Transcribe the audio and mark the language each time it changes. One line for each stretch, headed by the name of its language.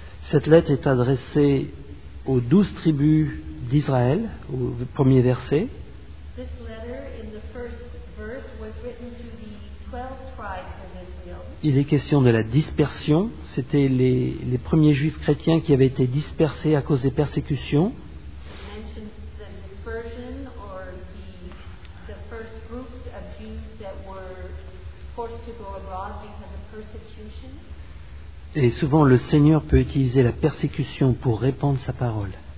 French: Cette lettre est adressée aux 12 tribus d'Israël, au premier verset.
English: This letter in the first verse was written to the 12 tribes of Israel.
French: Il est question de la dispersion. C'était les premiers juifs chrétiens qui avaient été dispersés à cause des persécutions.
English: It mentions the dispersion or the first groups of Jews that were forced to go abroad because of persecution.
French: Et souvent le Seigneur peut utiliser la persécution pour répandre sa parole.